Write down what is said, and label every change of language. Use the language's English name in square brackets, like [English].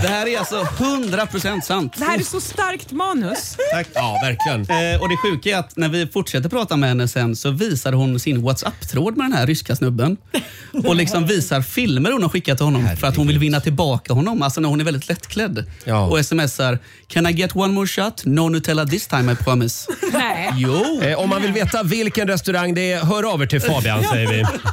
[Swedish] Det här är alltså 100% sant. Det här är så starkt manus. Tack. Ja, verkligen. Och det sjuka är att när vi fortsätter prata med henne sen så visar hon sin WhatsApp-tråd med den här ryska snubben. Och liksom visar filmer hon har skickat till honom. Herre, för att hon vill vinna tillbaka honom. Alltså när hon är väldigt lättklädd. Ja. Och smsar, [English] can I get one more shot? No Nutella this time, I promise. [Swedish] Nej. Jo. Om man vill veta vilken restaurang det är, hör över till Fabian, säger vi.